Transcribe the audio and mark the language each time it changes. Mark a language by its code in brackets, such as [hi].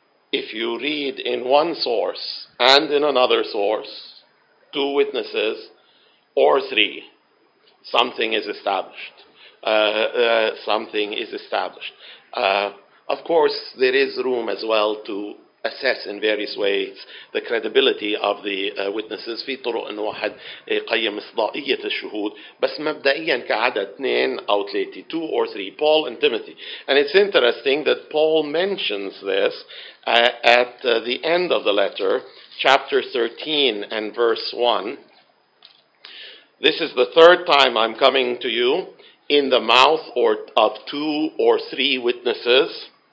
[en] If you read in one source and in another source, two witnesses or three, something is established. Of course, there is room as well to assess in various ways the credibility of the witnesses. [ar] في طرق إنه واحد يقيم مصداقية الشهود. بس مبدئياً كعادة اثنين أو ثلاثة, [en] two or three, Paul and Timothy. And it's interesting that Paul mentions this at the end of the letter, chapter 13 and verse 1. This is the third time I'm coming to you in the mouth or of two or three witnesses.